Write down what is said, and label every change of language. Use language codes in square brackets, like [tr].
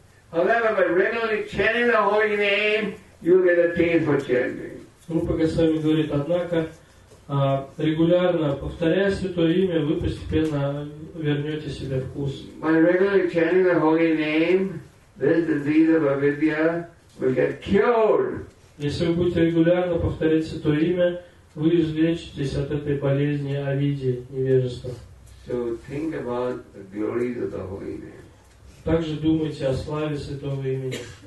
[en] However, by regularly chanting the holy name, you get a taste for chanting. [ru] Rupa Goswami говорит, однако, регулярно повторяя святое имя, вы постепенно вернете себе вкус. [en] By regularly chanting the holy name, this disease of avidya will get cured. [ru] Если вы будете регулярно повторять святое имя, вы излечитесь от этой болезни авиде, невежества. [en] So think about the glory of the holy name. [ru] Также думайте о славе святого имени.